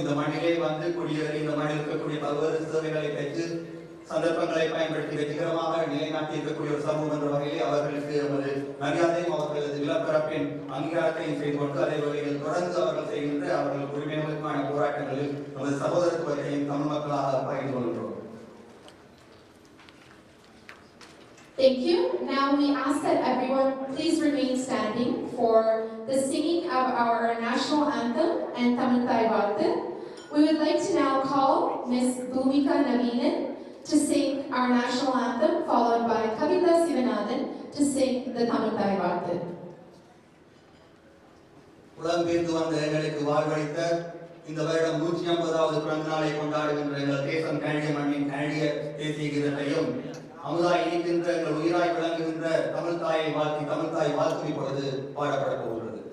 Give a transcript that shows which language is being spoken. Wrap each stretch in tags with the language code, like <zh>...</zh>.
<ta>இந்த மண்ணிலே வந்து குடியேறி இந்த மண்ணில் இருக்கக்கூடிய பல்வேறு சேவைகளை பெற்று சந்தர்ப்பங்களை பயன்படுத்தி வெற்றிகரமாக நிலைநாட்டி இருக்கக்கூடிய ஒரு சமூகம் என்ற வகையில் அவர்களுக்கு நமது மரியாதையும் அவர்களது நிலப்பரப்பின் அங்கீகாரத்தையும் செய்து கொண்டு அதே வகையில் தொடர்ந்து அவர்கள் செய்கின்ற அவர்கள் உரிமைகளுக்கான போராட்டங்களில் நமது சகோதரத்துவத்தையும் தமிழ் மக்களாக பகிர்ந்து கொள்கிறோம்.</ta> <en>Thank you. Now we ask that everyone please remain standing for the singing of our national anthem and Tamil Thai Vaazhthu. We would like to now call Ms. Bhumika Naveenan to sing our national anthem, followed by Kavitha Sivanathan to sing the Tamil Thai Vaazhthu.</en> <ta>உலகெங்கிலும் வந்த எங்களுக்கு வாழ்வளித்த இந்த வருடம் 150வது பிறந்த நாளை கொண்டாடுகின்ற எங்கள் தேசம் கனடிய மண்ணின் கனடிய தேசிய கீதத்தையும் அமுதாய் இணைக்கின்ற எங்கள் உயிராய் விளங்குகின்ற தமிழ் தாயை வாழ்த்தி தமிழ் தாய் வாழ்த்து இப்பொழுது பாடப்படப் போகிறது.</ta>